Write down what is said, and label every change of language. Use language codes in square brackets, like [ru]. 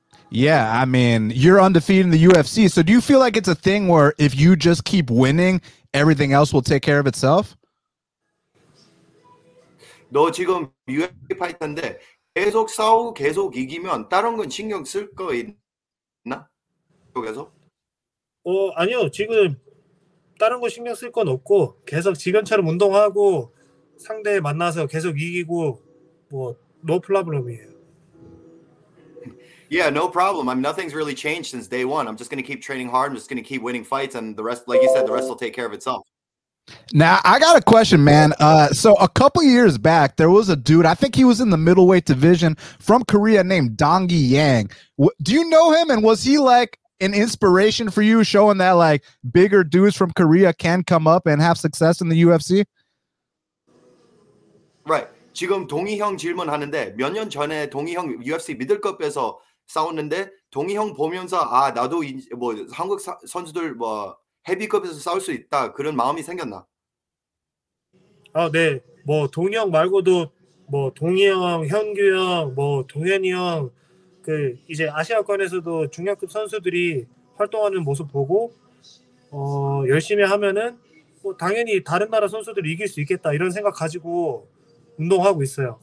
[en] Yeah, I mean, you're undefeated in the UFC, so do you feel like it's a thing where if you just keep winning, everything else will take care of itself? [ko] 너 지금 UFC 파이터인데 계속 싸우고 계속 이기면 다른 건 신경 쓸 거 있나? 계속? 아니요. 지금 다른 거 신경 쓸 건 없고 계속 지금처럼 운동하고 상대 만나서 계속 이기고 뭐 [en] no problem [ko] 이에요. [en] Yeah, no problem. I mean, nothing's really changed since day one. I'm just going to keep training hard. I'm just going to keep winning fights and the rest, like you said, the rest will take care of itself. Now, I got a question, man. So a couple years back, there was a dude, I think he was in the middleweight division from Korea named Donggi Yang. Do you know him and was he like an inspiration for you showing that like bigger dudes from Korea can come up and have success in the UFC? Right. [ko] 지금 동희 형 질문하는데 몇 년 전에 동희 형 UFC 미들급에서 싸웠는데 동희 형 보면서 아 나도 뭐 한국 선수들 뭐 헤비급에서 싸울 수 있다 그런 마음이 생겼나? 아 네. 뭐 동희 형 말고도 뭐 동희 형, 현규 형, 뭐 동현이 형 그 이제 아시아권에서도 중량급 선수들이 활동하는 모습 보고 열심히 하면은 뭐 당연히 다른 나라 선수들 이길 수 있겠다 이런 생각 가지고 운동하고 있어요.